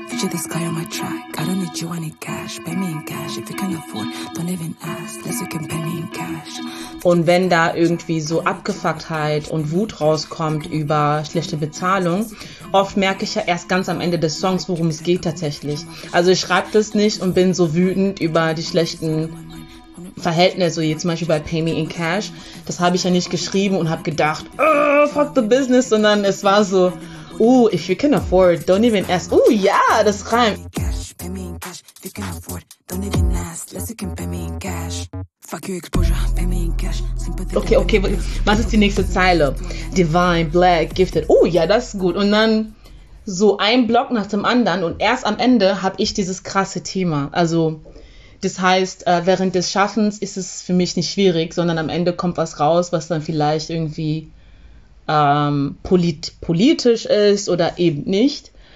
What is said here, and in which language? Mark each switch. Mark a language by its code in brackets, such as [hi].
[en] This guy on my track, I don't need you, I need cash. Pay me in cash, if you can afford, don't even ask, unless you can pay me in cash. [de] Und wenn da irgendwie so Abgefucktheit und Wut rauskommt über schlechte Bezahlung, oft merke ich ja erst ganz am Ende des Songs, worum es geht tatsächlich. Also ich schreibe das nicht und bin so wütend über die schlechten Verhältnisse, so jetzt zum Beispiel bei Pay Me In Cash. Das habe ich ja nicht geschrieben und habe gedacht, [en] fuck the business, [de] sondern es war so, oh, [en] if you can afford, don't even ask. Oh, yeah, [de] das reimt. [en] Cash, pay me in cash. If you can afford, don't even ask. Unless you can pay me in cash. Fuck [de] Okay, okay, was ist die nächste Zeile? Divine, black, gifted. Oh ja, das ist gut. Und dann so ein Block nach dem anderen und erst am Ende habe ich dieses krasse Thema. Also das heißt, während des Schaffens ist es für mich nicht schwierig, sondern am Ende kommt was raus, was dann vielleicht irgendwie politisch ist oder eben nicht.